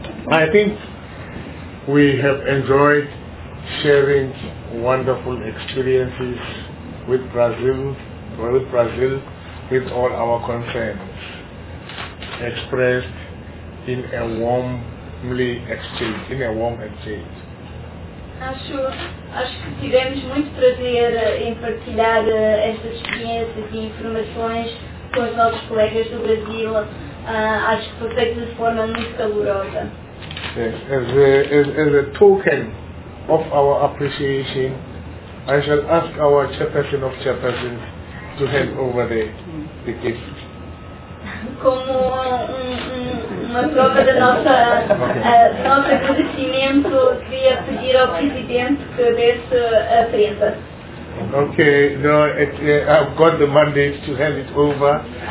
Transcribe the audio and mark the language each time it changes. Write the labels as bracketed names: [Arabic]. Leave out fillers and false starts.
[English] I think we have enjoyed sharing wonderful experiences with Brazil, with all our concerns expressed in a warm exchange. [Portuguese] Acho que tivemos muito prazer em partilhar estas experiências e informações com os nossos colegas do Brasil. Acho que foi feito de forma muito calorosa. [English] Yes, as a token of our appreciation, I shall ask our chairperson of chairpersons to hand over the gift. [Portuguese] Como uma prova da nosso agradecimento, queria pedir ao Presidente que desse a prenda. [English] Okay, no, I've got the mandate to hand it over.